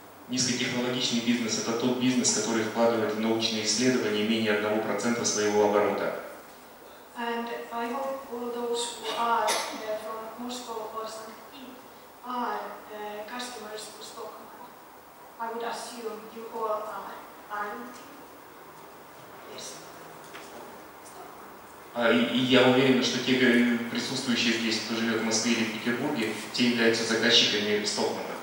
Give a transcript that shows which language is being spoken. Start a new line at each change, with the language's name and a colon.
Russian: Низкотехнологичный бизнес — это тот бизнес, который вкладывает в научные исследования менее 1% своего оборота.
English: And I hope all those who are from Moscow or St. Petersburg are customers for Stockmann. I would assume you all are, aren't you? Yes.
Russian: И я уверен, что те присутствующие здесь, кто живет в Москве или в Петербурге, те являются заказчиками Стокмана.